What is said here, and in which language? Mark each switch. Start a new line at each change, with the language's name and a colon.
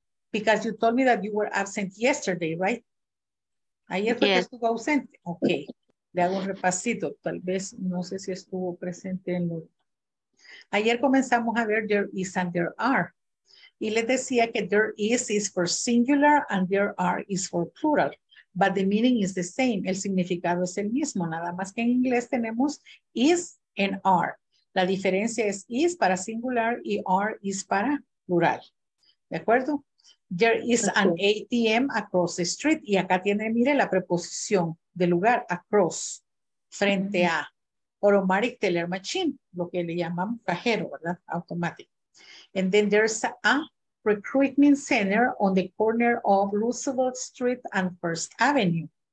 English: Because you told me that you were absent yesterday, right?
Spanish: Ayer fue que estuvo ausente. Ok. Le hago un repasito. Tal vez, no sé si estuvo presente en lo... Ayer comenzamos a ver
English: there is and there are.
Spanish: Y les decía que
English: there is for singular and there are is for plural. But the meaning is the same.
Spanish: El significado es el mismo. Nada más que en inglés tenemos is and are. La diferencia es para singular y are is para plural. ¿De acuerdo?
English: There is an ATM across the street.
Spanish: Y acá tiene, mire, la preposición de lugar, across, frente a. Automatic teller machine, lo que le llamamos cajero, ¿verdad?
English: Automatic. And then there's a recruitment center on the corner of Roosevelt Street and First Avenue.